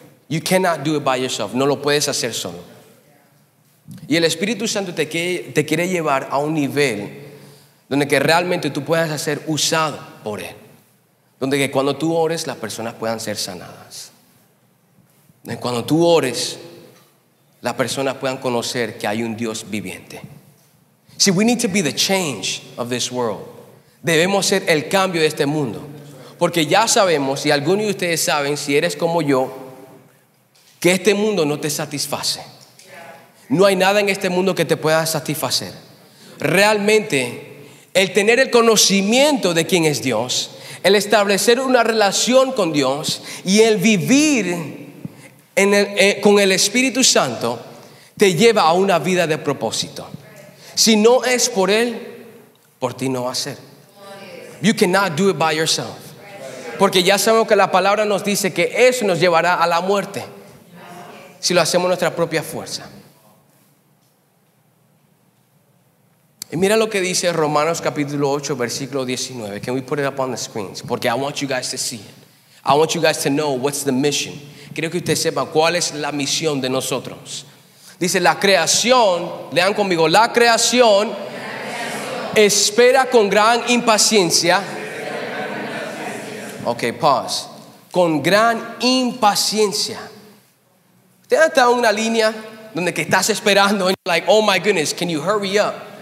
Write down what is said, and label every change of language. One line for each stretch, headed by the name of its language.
English: You cannot do it by yourself.
Spanish: No lo puedes hacer solo. Y el Espíritu Santo te quiere llevar a un nivel donde que realmente tú puedas ser usado por Él. Donde que cuando tú ores, las personas puedan ser sanadas. Donde cuando tú ores, las personas puedan conocer que hay un Dios viviente.
English: See, we need to be the change of this world.
Spanish: Debemos ser el cambio de este mundo. Porque ya sabemos, y algunos de ustedes saben, si eres como yo, que este mundo no te satisface. No hay nada en este mundo que te pueda satisfacer. Realmente, el tener el conocimiento de quién es Dios, el establecer una relación con Dios y el vivir con el Espíritu Santo, te lleva a una vida de propósito. Si no es por Él, por ti no va a ser.
English: You cannot do it by yourself.
Spanish: Porque ya sabemos que la palabra nos dice que eso nos llevará a la muerte si lo hacemos nuestra propia fuerza. Y mira lo que dice Romanos capítulo 8, versículo 19.
English: Can we put it up on the screens? Porque I want you guys to see it. I want you guys to know what's the mission.
Spanish: Quiero que usted sepa cuál es la misión de nosotros. Dice la creación, lean conmigo, la creación espera con gran impaciencia.
English: Okay, pause.
Spanish: Con gran impaciencia. ¿Usted ha estado en una línea donde que estás esperando?
English: And you're like, oh my goodness, can you hurry up?